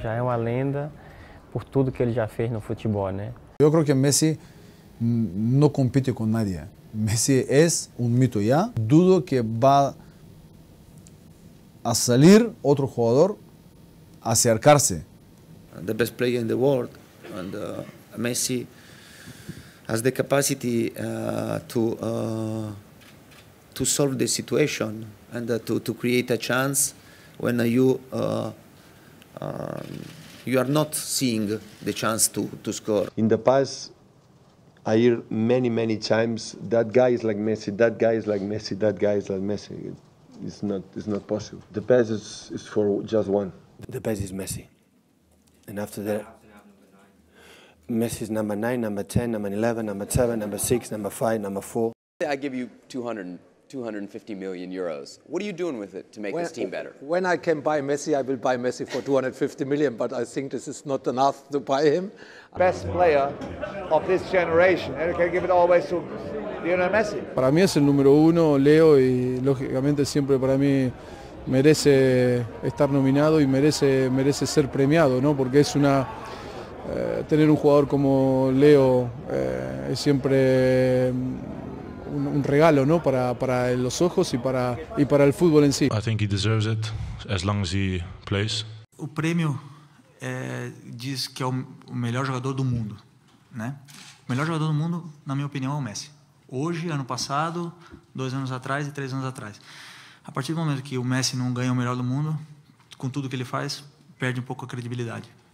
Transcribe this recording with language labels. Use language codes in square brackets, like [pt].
[pt] Já é uma lenda por tudo que ele já fez no futebol, né? Eu acho que Messi não compete com nadie. Messi é um mito já. [es] Dudo que vá a salir otro jugador a acercarse. [en] The best player in the world and Messi has the capacity to solve the situation and to create a chance when you are not seeing the chance to score. In the past I hear many times that guy is like Messi, that guy is like Messi, that guy is like Messi. It's not possible. The best is for just one. The best is Messi. And after that, Messi's number 9, number 10, number 11, number 7, number 6, number 5, number 4. I give you 250 million euros. What are you doing with it to make this team better? When I can buy Messi, I will buy Messi for 250 million, but I think this is not enough to buy him. Best player of this generation. And you can give it always to Lionel Messi. [es] Para mí es el número uno, Leo, y lógicamente siempre para mí merece estar nominado y merece ser premiado, ¿no? Porque es una tener un jugador como Leo es siempre un regalo, ¿no? Para los ojos y para el fútbol en sí. [en] I think he deserves it as long as he plays. [pt] O prêmio diz que é o melhor jogador do mundo, né? O melhor jogador do mundo, na minha opinião, é o Messi. Hoje, ano passado, 2 anos atrás e 3 anos atrás. A partir do momento que o Messi não ganha o melhor do mundo, com tudo que ele faz, perde um pouco a credibilidade.